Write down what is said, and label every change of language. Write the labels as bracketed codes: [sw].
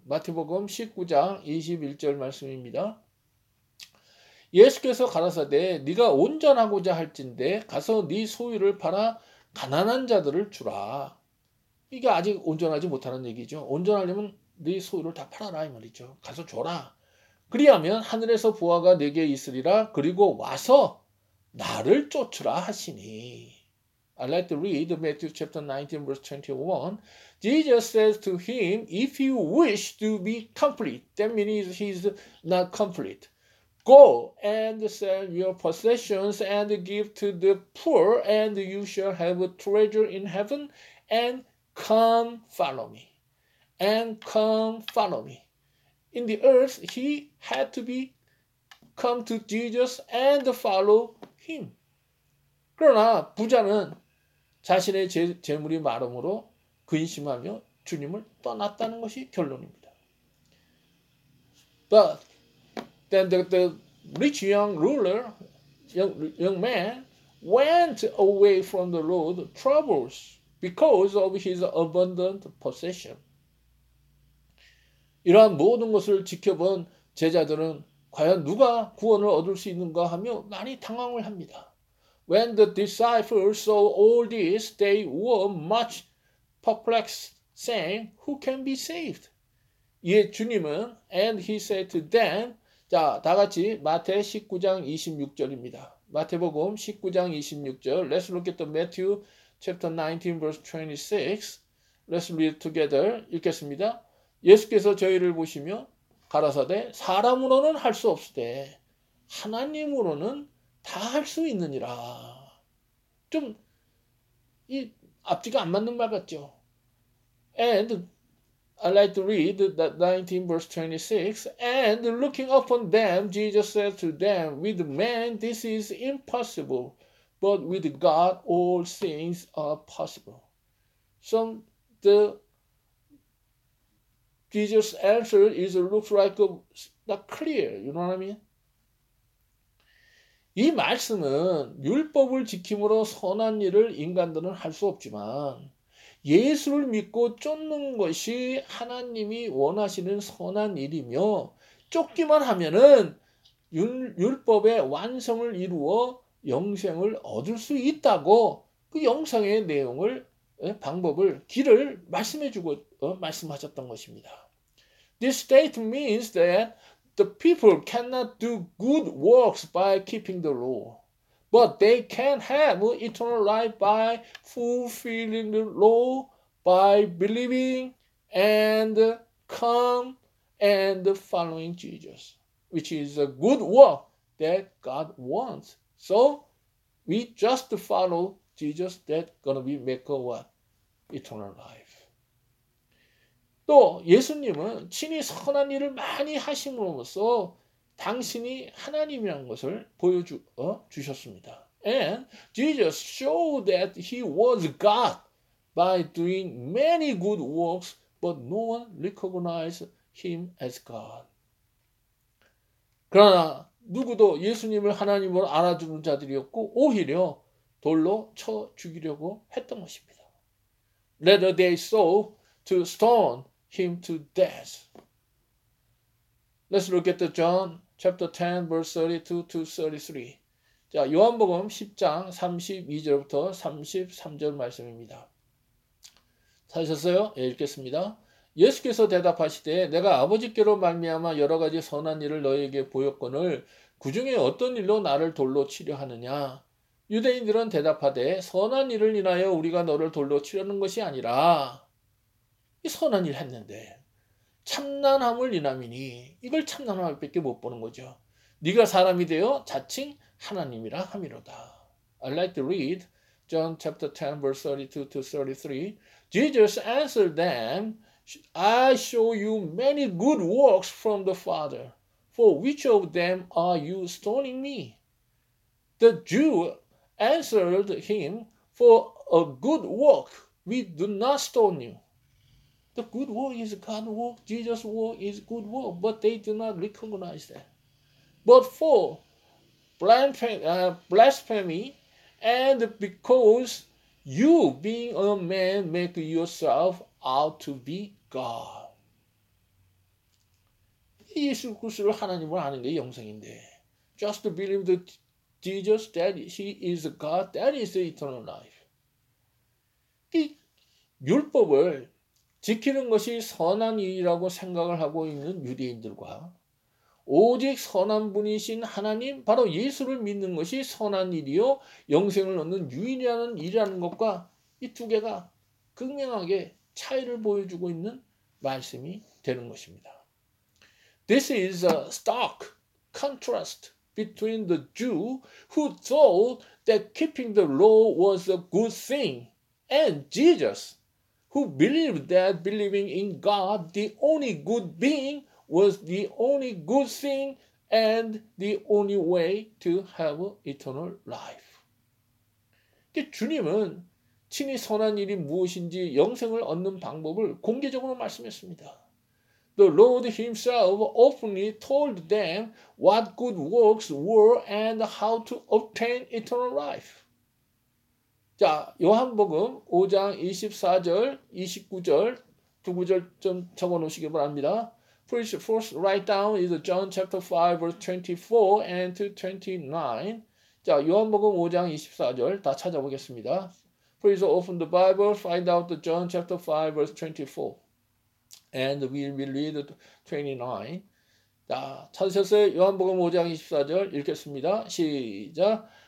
[ko] 마태복음 19장 21절 말씀입니다. 예수께서 가라사대 네가 온전하고자 할진대 가서 네 소유를 팔아 가난한 자들을 주라. 이게 아직 온전하지 못하는 얘기죠. 온전하려면 네 소유를 다 팔아라 이 말이죠. 가서 줘라. 그리하면 하늘에서 부하가 네게 있으리라. 그리고 와서 나를 쫓으라 하시니. [en] I like to read Matthew chapter 19 verse 21. Jesus says to him, If you wish to be complete, that means he's not complete. Go and sell your possessions and give to the poor and you shall have a treasure in heaven and come follow me. And come follow me. In the earth, he had to be come to Jesus and follow him. [ko] 그러나 부자는 자신의 재물이 마름으로 근심하며 주님을 떠났다는 것이 결론입니다. [en] But then the rich young ruler, young man, went away from the Lord troubles because of his abundant possession. [ko] 이러한 모든 것을 지켜본 제자들은 과연 누가 구원을 얻을 수 있는가 하며 많이 당황을 합니다. [en] When the disciples saw all this, they were much perplexed, saying, "Who can be saved?" [ko] 이에 주님은, [en] and he said to them, [ko] 자, 다 같이 마태 19장 26절입니다. 마태복음 19장 26절. [en] Let's look at the Matthew chapter 19, verse 26. Let's read together. [ko] 읽겠습니다. 예수께서 저희를 보시며 가라사대 사람으로는 할 수 없으되 하나님으로는 다 할 수 있느니라. 좀 이 앞뒤가 안 맞는 말 같죠. [en] And I like to read that 19 verse 26. And looking upon them, Jesus said to them, "With man this is impossible, but with God all things are possible." So the Jesus' answer is looks like not clear. You know what I mean? [ko] 이 말씀은 율법을 지킴으로 선한 일을 인간들은 할 수 없지만 예수를 믿고 쫓는 것이 하나님이 원하시는 선한 일이며 쫓기만 하면은 율법의 완성을 이루어 영생을 얻을 수 있다고 그 영생의 내용을 방법을 길을 말씀해주고 말씀하셨던 것입니다. [en] This statement means that the people cannot do good works by keeping the law, but they can have eternal life by fulfilling the law, by believing and come and following Jesus, which is a good work that God wants. So we just follow Jesus, that's going to be make a what? Eternal life. [ko] 또 예수님은 친히 선한 일을 많이 하심으로써 당신이 하나님이란 것을 보여주셨습니다. [en] And Jesus showed that he was God by doing many good works, but no one recognized him as God. [ko] 그러나 누구도 예수님을 하나님으로 알아주는 자들이었고 오히려 돌로 쳐 죽이려고 했던 것입니다. [en] Rather they sought to stone him to death. Let's look at the John chapter 10 verse 32 to 33. [ko] 자, 요한복음 10장 32절부터 33절 말씀입니다. 찾으셨어요? 예, 읽겠습니다. 예수께서 대답하시되 내가 아버지께로 말미암아 여러 가지 선한 일을 너희에게 보였거늘 그 중에 어떤 일로 나를 돌로 치려 하느냐? 유대인들은 대답하되 선한 일을 인하여 우리가 너를 돌로 치려는 것이 아니라 이 선한 일 했는데 참난함을 인함이니 이걸 참난함 밖에 못 보는 거죠. 네가 사람이 되어 자칭 하나님이라 함이로다. [en] I like to read John chapter 10 verse 32 to 33. Jesus answered them, "I show you many good works from the Father. For which of them are you stoning me?" The Jew answered him, "For a good work we do not stone you." The good work is God's work. Jesus' work is good work. But they do not recognize that. But for blasphemy, and because you, being a man, make yourself out to be God. [ko] 예수 그리스도를 하나님으로 아는 게 영생인데. [en] Just to believe that Jesus, that he is God, that is the eternal life. [ko] 이 율법을 지키는 것이 선한 일이라고 생각을 하고 있는 유대인들과 오직 선한 분이신 하나님, 바로 예수를 믿는 것이 선한 일이요 영생을 얻는 유일한 일이라는 것과 이 두 개가 극명하게 차이를 보여주고 있는 말씀이 되는 것입니다. [en] This is a stark contrast between the Jew who thought that keeping the law was a good thing and Jesus, who believed that believing in God, the only good being, was the only good thing and the only way to have eternal life. [ko] 주님은 친히 선한 일이 무엇인지 영생을 얻는 방법을 공개적으로 말씀했습니다. [en] The Lord himself openly told them what good works were and how to obtain eternal life. [ko] 자, 요한복음 5장 24절, 29절 두 구절 좀 적어 놓으시기 바랍니다. [en] Please first write down is John chapter 5 verse 24 and to 29. [ko] 자, 요한복음 5장 24절 다 찾아보겠습니다. [en] Please open the Bible, find out the John chapter 5 verse 24. And we will read 29. [ko] 자, 찾으셨어요? 요한복음 5장 24절 읽겠습니다. 시작!